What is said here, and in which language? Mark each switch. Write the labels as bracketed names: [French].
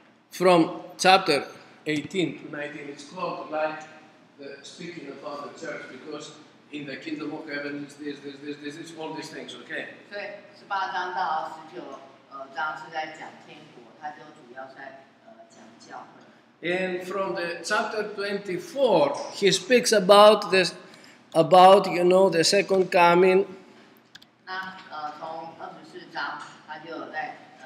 [English] From chapter 18 to 19, it's called like the speaking about the church because in the kingdom of heaven is this, it's all these things, okay? [Chinese] 所以十八章到十九章是在讲天国，它就主要在讲教会。 [English] And from the chapter 24, he speaks about this, about you know the second coming. [Chinese] 那从二十四章，他就有在